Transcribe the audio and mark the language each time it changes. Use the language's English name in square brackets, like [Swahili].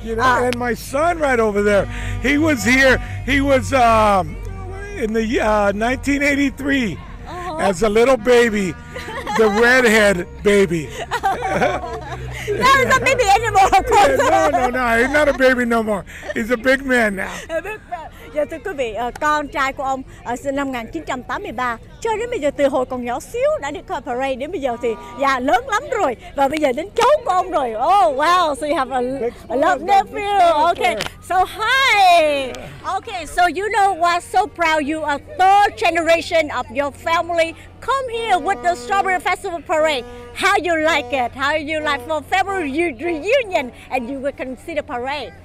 [English] You know, and my son right over there, he was here, he was in the 1983 as a little baby, the redhead baby. No, he's not a baby anymore, of course. No, he's not a baby no more. He's a big man now. [Vietnamese] Dạ thưa quý vị, con trai của ông sinh năm 1983 cho đến bây giờ từ hồi còn nhỏ xíu đã đi coi parade đến bây giờ thì dạ lớn lắm rồi và bây giờ đến cháu của ông rồi. [English] Oh wow, so you have a love nephew. Okay, so hi. Okay, so you know what? So proud you are third generation of your family come here with the Strawberry Festival parade. How you like it? How you like for family reunion and you will come see the parade?